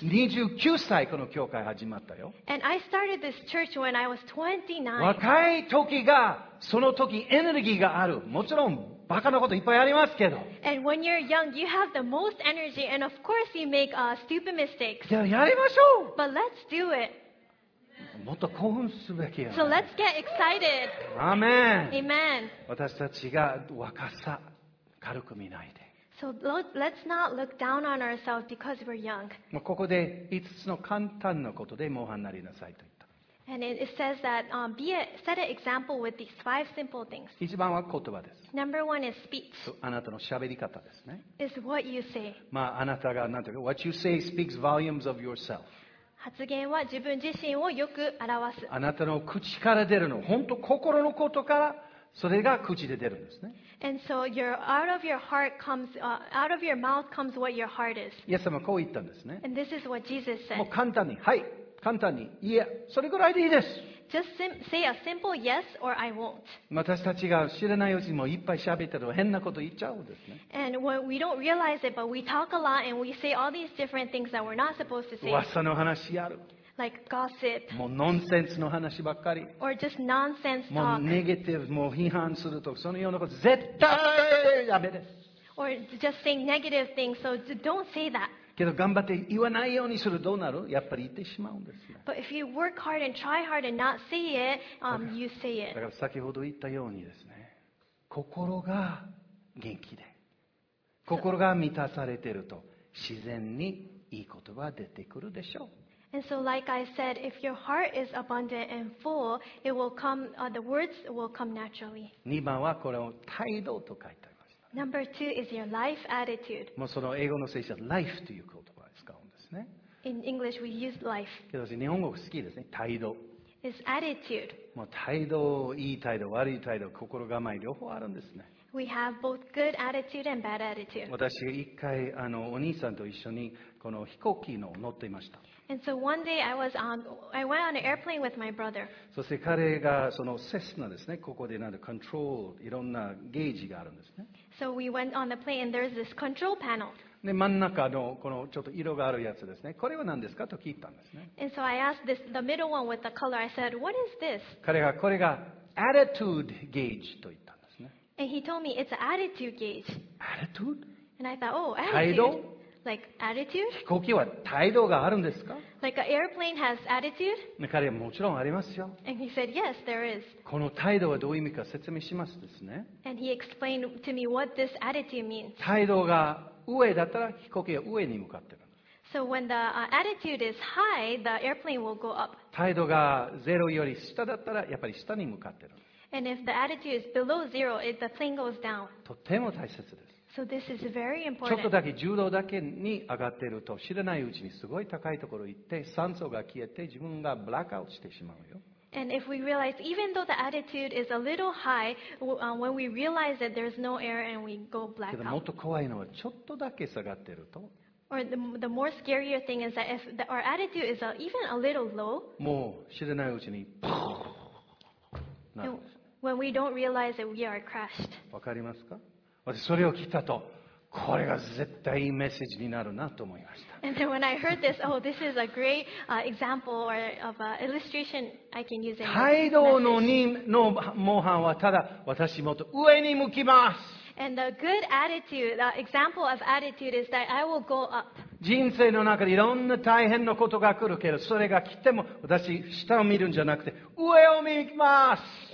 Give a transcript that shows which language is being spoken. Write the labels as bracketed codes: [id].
[ja] 29歳この教会始まったよ。 [en] And I started this church when I was 29. [ja] 若い時がその時エネルギーがある。もちろんバカなこといっぱいありますけど。 [en] And when you're young, you have the most energy, and of course you make stupid mistakes. [ja] じゃあやりましょう。 [en] But let's do it. [ja] もっと興奮すべきや。 [en] So let's get excited. Amen. Amen. [ja] 私たちが若さ軽く見ないで。 [en] So let's not look down on ourselves because we're young. [ja] ここで5つの簡単なことで模範になりなさいと言った。 [en] And it says that set an example with these five simple things. [ja] 一番は言葉です。 [en] Number one is speech. [ja] あなたの喋り方ですね。 [en] Is what you say. [ja] まああなたがなんていうか、 [en] what you say speaks volumes of yourself. [ja] 発言は自分自身をよく表す。あなたの口から出るの、本当心のことから。それが口で出るんですね。 [en] And so your out of your heart comes out of your mouth comes what your heart is. [ja] イエス様こう言ったんですね。 [en] And this is what Jesus said. [ja] もう簡単に、はい、簡単に、いや、それぐらいでいいです。 [en] Just say a simple yes or I won't. [ja] 私たちが知らないうちにもいっぱい喋ってると変なこと言っちゃうんですね。 [en] And when we don't realize it, but we talk a lot and we say all these different things that we're not supposed to say. [ja] 噂の話やる。 [en] Like gossip. [ja] もうノンセンスの話ばっかり。 [en] Or just nonsense talk. [ja] もうネガティブ、もう批判するとか、そのようなこと、絶対ダメです。 [en] Or just saying negative things, so don't say that. [ja] けど頑張って言わないようにするとどうなる？やっぱり言ってしまうんですね。 [en] But if you work hard and try hard and not say it, you say it. [ja] だから先ほど言ったようにですね、心が元気で、心が満たされてると、自然にいい言葉が出てくるでしょう。 [en] And so, like I said, if your heart is abundant and full, it will come, the words will come naturally. [ja] 2番はこれを態度と書いてありました。 [en] Number two is your life attitude. [ja] もうその英語の聖書は life という言葉を使うんですね。 [en] In English, we use life. [ja] けど私、日本語好きですね。態度。 [en] It's attitude. [ja] もう態度、いい態度、悪い態度、心構え、両方あるんですね。 [en] We have both good attitude and bad attitude. [ja] 私、一回お兄さんと一緒にこの飛行機の乗っていました。 [en] And so one day I went on an airplane with my brother. [ja] そして彼がそのセスナですね。ここでなんかコントロール、いろんなゲージがあるんですね。 [en] So we went on the plane and there's this control panel. [ja] で真ん中のこのちょっと色があるやつですね。これは何ですかと聞いたんですね。 [en] And so I asked this the middle one with the color. I said, "What is this?" [ja] 彼がこれが [en] attitude gauge [ja] と言ったんですね。 [en] And he told me it's an attitude gauge. Attitude? And I thought, "Oh, attitude." Like attitude? [ja] 飛行機は態度があるんですか？ [en] Like an airplane has attitude? [ja] 彼はもちろんありますよ。 [en] And he said, yes, there is. [ja] この態度はどういう意味か説明しますですね。 [en] And he explained to me what this attitude means. [ja] 態度が上だったら飛行機は上に向かってる。 [en] So when the attitude is high, the airplane will go up. [ja] 態度がゼロより下だったらやっぱり下に向かってる。 [en] And if the attitude is below zero, the plane goes down. [ja] とても大切です。 [en] So、this is very important. [ja] ちょっとだけ10度だけに上がっていると知らないうちにすごい高いところに行って酸素が消えて自分がブラックアウトしてしまうよ。 [en] And if we realize, even though the attitude is a little high, when we realize that there's no air and we go black out. [ja] けどもっと怖いのはちょっとだけ下がっていると。 [en] Or the more scarier thing is that if our attitude is even a little low. [ja] もう知らないうちにポーッ。 [en] When we don't realize that we are crashed. [ja] わかりますか？私それを聞いたと、これが絶対いいメッセージになるなと思いました。 [en] And then when I heard this, oh, this is a great example or of an illustration I can use in my message. [ja] 態度の模範はただ、私もっと上に向きます。 [en] And the good attitude, the example of attitude is that I will go up. [ja] 人生の中でいろんな大変なことが来るけど、それが来ても私下を見るんじゃなくて上を見ます。